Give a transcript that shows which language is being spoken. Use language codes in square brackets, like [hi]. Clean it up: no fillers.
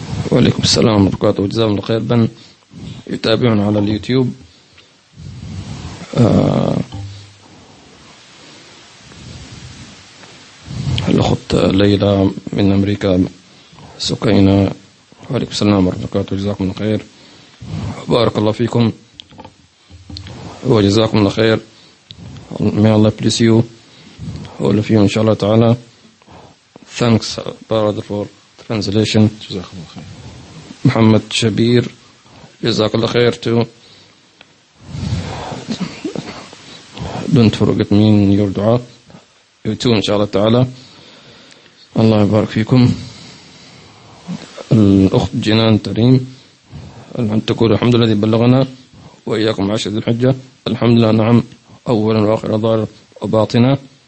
[ar] وعليكم السلام ورحمة الله وبركاته، وجزاكم الله خير. بن يتابعون على اليوتيوب، الأخت ليلى من أمريكا، سكينة، وعليكم السلام ورحمة الله وبركاته، جزاكم الله خير، بارك الله فيكم وجزاكم الله خير، [en] may Allah bless you all of you [ar] إن شاء الله تعالى. [en] Thanks brother for translation. [ar] جزاكم الله خير. محمد شبير، جزاك الله خير too. [en] Don't forget me in your dua. You too, inshallah ta'ala. [ar] Allah يبارك فيكم. الأخت جنان تريم، أن تقول الحمد لله الذي بلغنا وإياكم عشر ذي الحجة، الحمد لله، نعم، أولا وآخر ظاهر وباطنا.